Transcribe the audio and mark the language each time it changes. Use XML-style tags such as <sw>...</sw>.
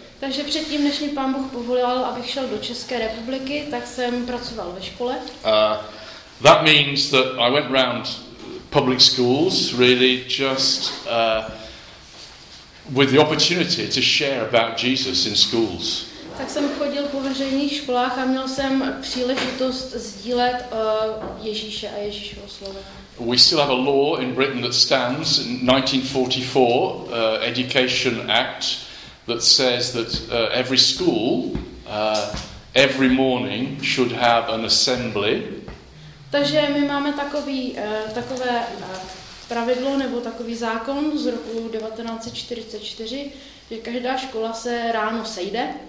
<cs>Takže předtím, než mi Pán Bůh povolil, abych šel do České republiky, tak jsem pracoval ve škole.</cs> <en>That means that I went round public schools really just with the opportunity to share about Jesus in schools.</en> <cs>Tak jsem chodil po veřejných školách a měl jsem příležitost sdílet Ježíše a Ježíšovo slovo.</cs> <en>We still have a law in Britain that stands, 1944 Education Act, that says that every school every morning should have an assembly.</en> <cs>Takže my máme takové pravidlo nebo takový zákon z roku 1944, že každá škola se ráno sejde.</cs>